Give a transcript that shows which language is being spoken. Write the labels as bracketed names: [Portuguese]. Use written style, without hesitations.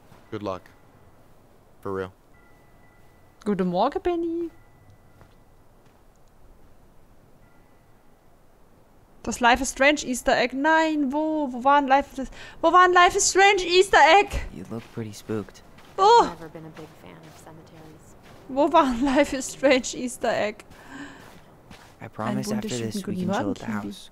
[English] Good luck. For real. [German] Guten Morgen, Benny. Das Life is Strange Easter Egg. Nein, wo? Wo war ein Life is Strange Easter Egg? [English] You look pretty spooked. Oh. I've never been a big fan of cemeteries. [German] Wo war ein Life is Strange Easter Egg? [English] I promise after this we can chill at the house.